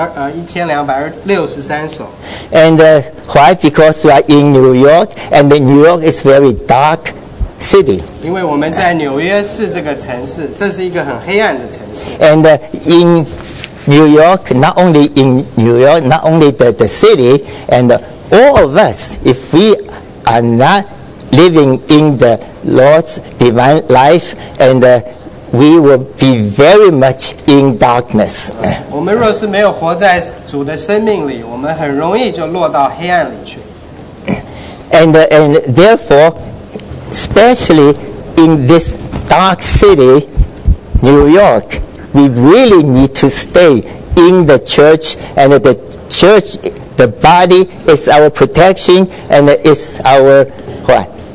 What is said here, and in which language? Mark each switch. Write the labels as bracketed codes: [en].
[zh] 我们为什么刚才唱了英文1263首？ [en] And why? Because we are in New York, and New York is very dark. City. [zh] 因为我们在纽约市这个城市，这是一个很黑暗的城市。 [en] And in New York, not only in New York, not only the city, and all of us, if we are not living in the Lord's divine life, and we will be very much in darkness. [zh] 我们若是没有活在主的生命里，我们很容易就落到黑暗里去。 [en] And and therefore. Especially in this dark city, New York, we really need to stay in the church, and the church, the body, is our protection, and it's our what?